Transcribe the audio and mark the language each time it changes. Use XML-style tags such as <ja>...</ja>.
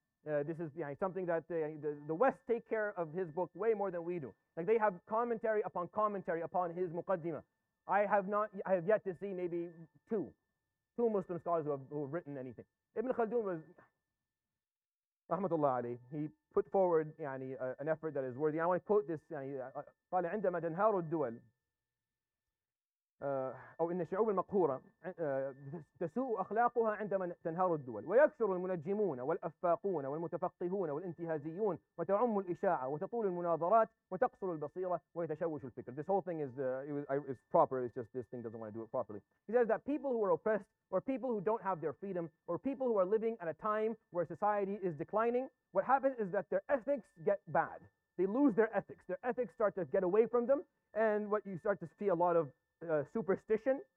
<en>This is something that the West take care of his book way more than we do. Like, they have commentary upon his Muqaddimah. I have yet to see maybe two Muslim scholars who have written anything. Ibn Khaldun was, rahmatullah alayhi, he put forward an effort that is worthy. I want to quote this.</en> <ar>قال عندما تنهار الدول أو إن الشعوب المقهورة تسوء أخلاقها عندما تنهار الدول ويكثر المنجمون والأفاقون والمتفقهون والانتهازيون وتعم الإشاعة وتطول المناظرات وتقصر البصيرة ويتشوش الفكر.</ar> <en>This whole thing is proper. It's just this thing doesn't want to do it properly. He says that people who are oppressed, or people who don't have their freedom, or people who are living at a time where society is declining, what happens is that their ethics get bad. They lose their ethics. Their ethics start to get away from them, and what you start to see a lot of superstition.</en>